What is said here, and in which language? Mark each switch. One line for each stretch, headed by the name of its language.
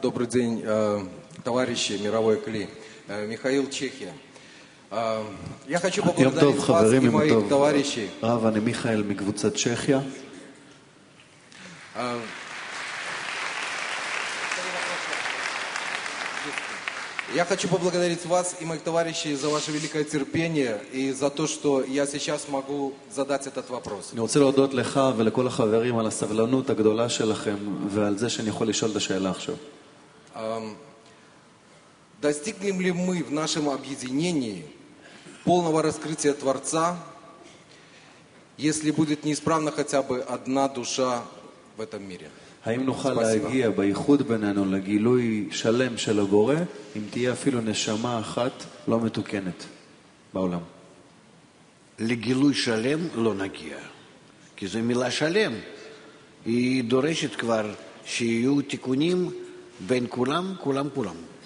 Russian: Добрый день, товарищи, мировой кли. Михаил, Чехия. Я хочу поблагодарить вас
Hebrew: חברים,
Russian: и моих товарищей.
Hebrew: Рав, אני מיכאל מקבוצת צ'כיה.
Russian: Я хочу поблагодарить вас и моих товарищей за ваше великое терпение и за то, что я сейчас могу задать этот вопрос.
Hebrew: אני רוצה להודות לך ולכל החברים על הסבלנות הגדולה שלכם ועל זה שאני יכול לשאול את השאלה עכשיו.
Russian: Достигнем ли мы в нашем объединении полного раскрытия Творца, если будет неисправна хотя бы одна душа в этом мире?
Hebrew: האם נוכל להגיע בייחוד בינינו לגילוי שלם של הבורא, אם תהיה אפילו נשמה אחת לא מתוקנת בעולם? לגילוי שלם לא נגיע, כי זו מילה שלם. היא דורשת כבר שיהיו תיקונים בין כולם, כולם, כולם.